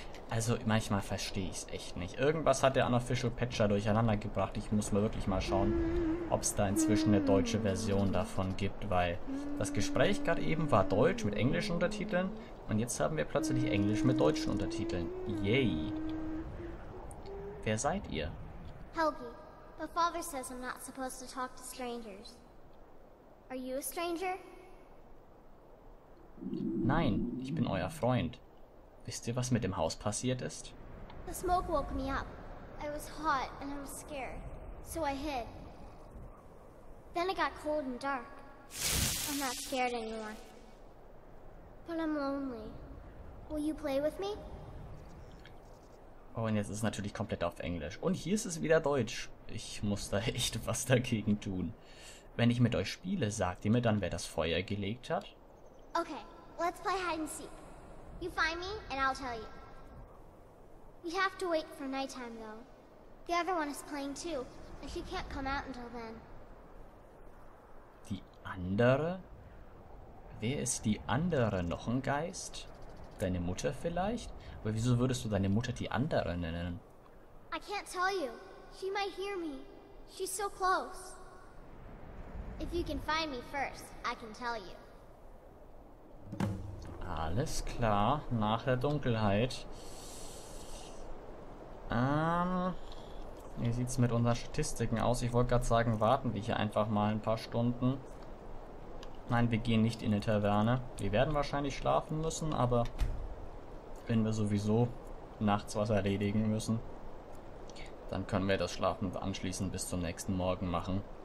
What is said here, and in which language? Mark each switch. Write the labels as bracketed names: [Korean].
[German] Also manchmal verstehe ich es echt nicht. Irgendwas hat der Unofficial Patcher durcheinander gebracht. Ich muss mal wirklich mal schauen, ob es da inzwischen eine deutsche Version davon gibt, weil das Gespräch gerade eben war Deutsch mit englischen Untertiteln und jetzt haben wir plötzlich Englisch mit deutschen Untertiteln. Yay! Wer seid ihr? Helgi. [English] But Father says I'm not supposed to talk to strangers. Are you a stranger? [German] Nein, ich bin euer Freund. Wisst ihr, was mit dem Haus passiert ist? [English] The smoke woke me up. I was hot and I was scared. So I hid. Then it got cold and dark. I'm not scared anymore. But I'm lonely. Will you play with me? [German] Oh, und jetzt ist es natürlich komplett auf Englisch. Und hier ist es wieder Deutsch. Ich muss da echt was dagegen tun. Wenn ich mit euch spiele, sagt ihr mir dann, wer das Feuer gelegt hat? [English] Okay, let's play hide and seek. You find me, and I'll tell you. We have to wait for nighttime, though. The other one is playing too, and she can't come out until then. [German] Die andere? Wer ist die andere? Noch ein Geist? Deine Mutter vielleicht? Aber wieso würdest du deine Mutter die andere nennen? [English] I can't tell you. She might hear me. She's so close. If you can find me first, I can tell you. [German] Alles klar, nach der Dunkelheit. Wie sieht's mit unseren Statistiken aus? Ich wollte gerade sagen, warten wir hier einfach mal ein paar Stunden. Nein, wir gehen nicht in eine Taverne. Wir werden wahrscheinlich schlafen müssen, aber wenn wir sowieso nachts was erledigen müssen, dann können wir das Schlafen anschließend bis zum nächsten Morgen machen.